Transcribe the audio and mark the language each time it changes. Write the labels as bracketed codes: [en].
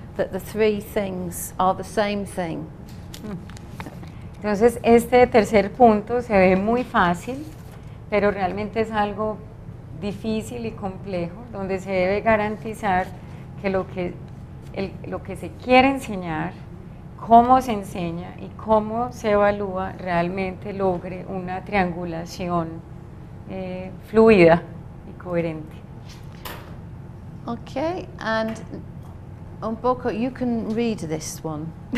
[en] That the three things are the same thing. [es] Entonces, este tercer punto se ve muy fácil, pero realmente es algo difícil y complejo, donde se debe garantizar que lo que se quiere enseñar, cómo se enseña y cómo se evalúa realmente logre una triangulación fluida y coherente. [en] Okay, and [es] un poco, [en] you can read this one.